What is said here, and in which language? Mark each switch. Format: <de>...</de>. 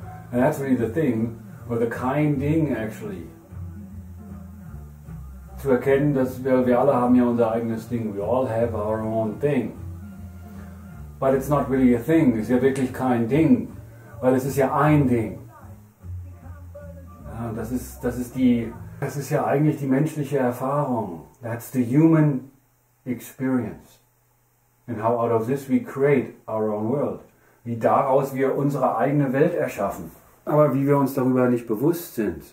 <en>And that's really the thing, or the kind thing actually.</en> <de>Zu erkennen, dass wir alle haben ja unser eigenes Ding.</de> <en>We all have our own thing. But it's not really a thing.</en> <de>Es ist ja wirklich kein Ding. Weil es ist ja ein Ding. Ja, das ist ja eigentlich die menschliche Erfahrung.</de> <en>That's the human experience. And how out of this we create our own world.</en> <de>Wie daraus wir unsere eigene Welt erschaffen. Aber wie wir uns darüber nicht bewusst sind.</de>